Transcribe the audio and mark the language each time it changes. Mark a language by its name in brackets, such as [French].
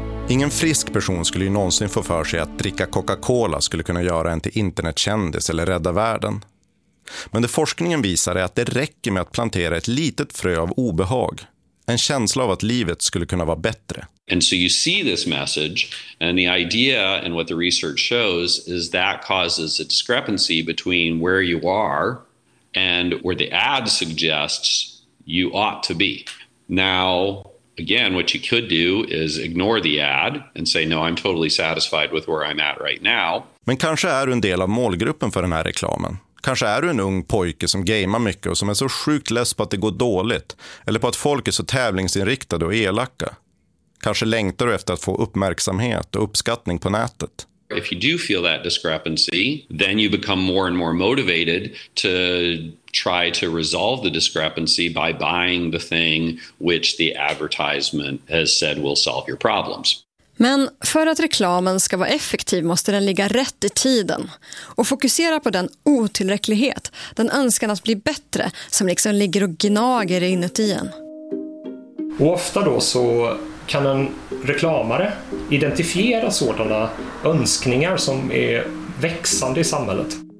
[Swedish] Ingen frisk person skulle ju någonsin få för sig att dricka Coca-Cola skulle kunna göra en till internetkändis eller rädda världen. Men det forskningen visar är att det räcker med att plantera ett litet frö av obehag. En känsla av att livet skulle kunna vara bättre. [English] And so you see this message, and the idea and what the research shows is that causes a discrepancy between where you are and where the ad suggests you ought to be. Now, again, what you could do is ignore the ad and say, no, I'm totally satisfied with where I'm at right now. [Swedish] Men kanske är du en del av målgruppen för den här reklamen. Kanske är du en ung pojke som gamar mycket och som är så sjukt less på att det går dåligt. Eller på att folk är så tävlingsinriktade och elaka. Kanske längtar du efter att få uppmärksamhet och uppskattning på nätet. [English] If you do feel that discrepancy, then you become more and more motivated to try to resolve the discrepancy by buying the thing which the advertisement has said will solve your problems. [Swedish] Men för att reklamen ska vara effektiv måste den ligga rätt i tiden och fokusera på den otillräcklighet, den önskan att bli bättre som liksom ligger och gnager inuti en. Och ofta då så kan en reklamare identifiera sådana önskningar som är växande i samhället.